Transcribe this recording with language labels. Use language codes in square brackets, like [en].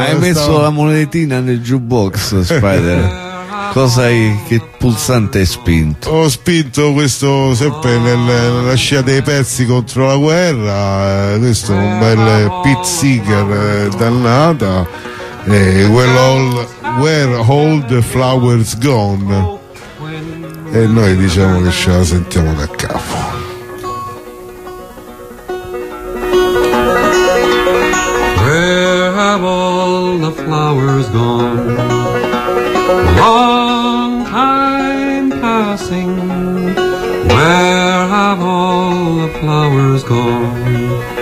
[it] Hai messo la monetina nel jukebox, Spider. Cosa hai, che pulsante hai spinto? Ho spinto questo sempre nella scia dei pezzi contro la guerra. Questo è un bel Pete Seeger, dannata. [en] Where all the flowers gone. [it] E noi diciamo che ce la sentiamo da capo. [en] Where have all the flowers gone? Long time passing. Where have all the flowers gone?